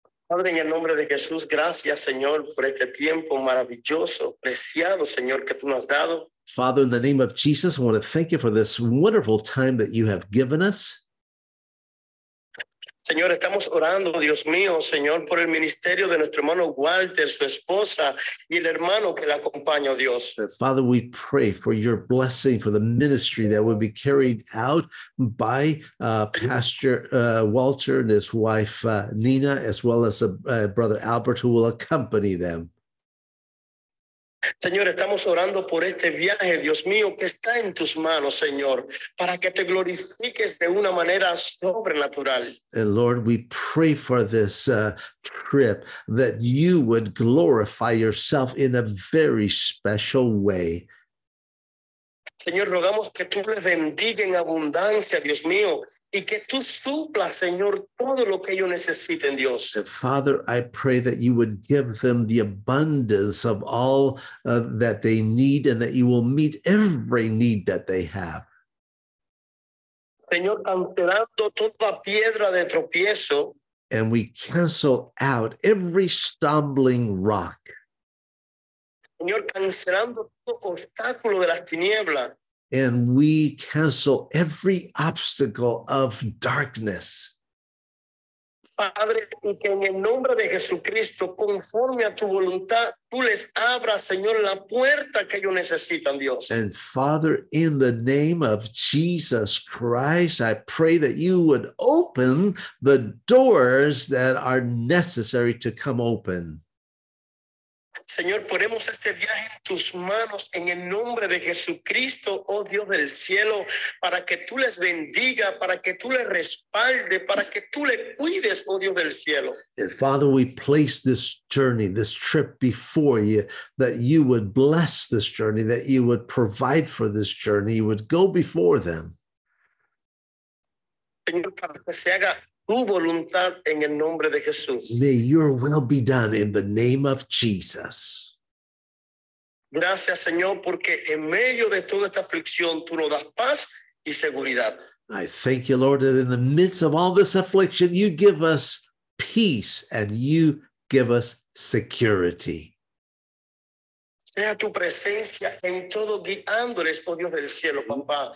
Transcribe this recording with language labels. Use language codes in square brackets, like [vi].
[es] Padre, en el nombre de Jesús, gracias, Señor, por este tiempo maravilloso, preciado, Señor, que tú nos has dado. [en] Father, in the name of Jesus, I want to thank you for this wonderful time that you have given us. [es] Señor, estamos orando, Dios mío, Señor, por el ministerio de nuestro hermano Walter, su esposa, y el hermano que le acompaña, Dios. [en] Father, we pray for your blessing for the ministry that will be carried out by Pastor Walter and his wife Nina, as well as brother Albert, who will accompany them. [es] Señor, estamos orando por este viaje, Dios mío, que está en tus manos, Señor, para que te glorifiques de una manera sobrenatural. [en] And Lord, we pray for this trip that you would glorify yourself in a very special way. [es] Señor, rogamos que tú les bendiga en abundancia, Dios mío, y que tú suplas, Señor, todo lo que ellos necesiten, Dios. [en] Father, I pray that you would give them the abundance of all that they need and that you will meet every need that they have. [es] Señor, cancelando toda piedra de tropiezo. [en] And we cancel out every stumbling rock. [es] Señor, cancelando todo obstáculo de las tinieblas. [en] And we cancel every obstacle of darkness. [es] Padre, y que en el nombre de Jesucristo, conforme a tu voluntad, tú les abras, Señor, la puerta que ellos necesitan, Dios. [en] And Father, in the name of Jesus Christ, I pray that you would open the doors that are necessary to come open. [es] Señor, ponemos este viaje en tus manos en el nombre de Jesucristo, oh Dios del cielo, para que tú les bendiga, para que tú les respalde, para que tú les cuides, oh Dios del cielo. [en] And Father, we place this journey, this trip before you, that you would bless this journey, that you would provide for this journey, you would go before them. [es] Señor, para que se haga tu voluntad en el nombre de Jesús. [en] May your will be done in the name of Jesus. [es] Gracias, Señor, porque en medio de toda esta aflicción, tú nos das paz y seguridad. [en] I thank you, Lord, that in the midst of all this affliction, you give us peace and you give us security. [es] Sea tu presencia en todo guiándoles, oh Dios del cielo, papá.